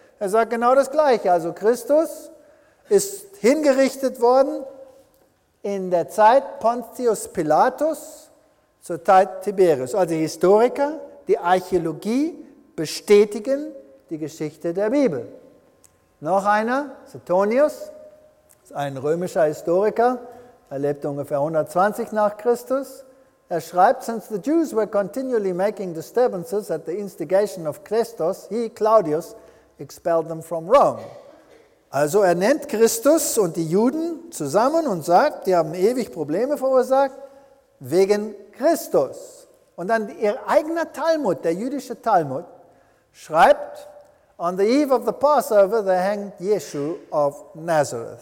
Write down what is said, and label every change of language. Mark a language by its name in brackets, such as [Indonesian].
[German] Er sagt genau das Gleiche, also Christus ist hingerichtet worden in der Zeit Pontius Pilatus zur Zeit Tiberius. Also die Historiker, die Archäologie bestätigen die Geschichte der Bibel. Noch einer, Suetonius, ist ein römischer Historiker, er lebte ungefähr 120 nach Christus. Er schreibt, [English] since the Jews were continually making disturbances at the instigation of Christus, he, Claudius, expelled them from Rome. [German] Also er nennt Christus und die Juden zusammen und sagt, die haben ewig Probleme verursacht, wegen Christus. Und dann ihr eigener Talmud, der jüdische Talmud, schreibt, [English] on the eve of the Passover they hanged Yeshu of Nazareth.